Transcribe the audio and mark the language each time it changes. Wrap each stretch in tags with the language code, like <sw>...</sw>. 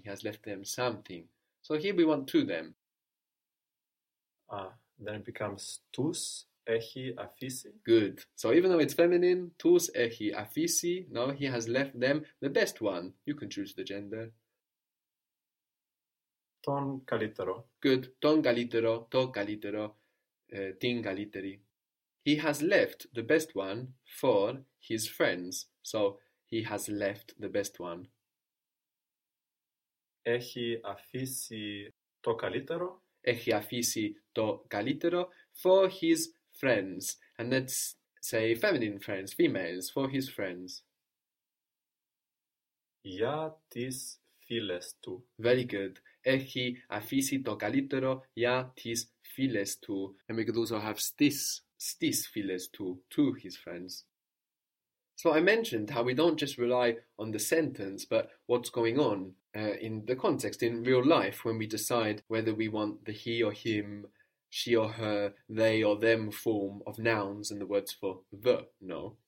<en>He has left them something. So here we want to them. Then it becomes</en> <el>τους έχει αφήσει.</el> <en>Good. So even though it's feminine,</en> <el>tus echi afisi,</el> <en>now he has left them the best one. You can choose the gender.</en> <el>Τον καλύτερο.</el> <en>Good.</en> <el>Τον καλύτερο, το καλύτερο, την καλύτερη.</el> <en>He has left the best one for his friends. So he has left the best one.</en> <el>Έχει αφήσει το καλύτερο. Έχει αφήσει το καλύτερο</el> <en>for his friends. And let's say feminine friends, females, for his friends.</en> <el>Για τις φίλες του.</el> <en>Very good.</en> <el>Έχει αφήσει το καλύτερο για τις φίλες του.</el> <en>And we could also have</en> <el>στις φίλες του,</el> <en>to his friends. So I mentioned how we don't just rely on the sentence, but what's going on in the context, in real life, when we decide whether we want the he or him, she or her, they or them form of nouns and the words for the, no?</en>